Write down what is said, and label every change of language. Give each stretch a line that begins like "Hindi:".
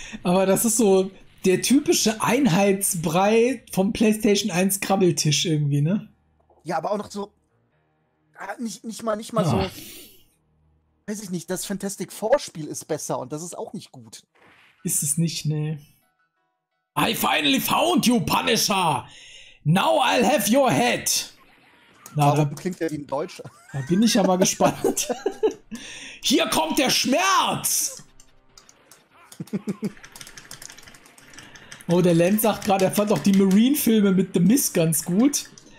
German: Aber das ist so der typische Einheitsbrei vom PlayStation 1 Krabbeltisch irgendwie, ne? Ja, aber auch noch so. Nicht mal so. Weiß ich nicht, das Fantastic Four-Spiel ist besser und das ist auch nicht gut. Ist es nicht, ne?
English: I finally found you, Punisher! Now I'll have your head!
German: Na, warum da klingt der wie ein Deutscher? Da bin ich ja mal gespannt. Hier kommt der Schmerz! Oh, der Lance sagt gerade, er fand auch die Marine-Filme mit The Mist ganz gut.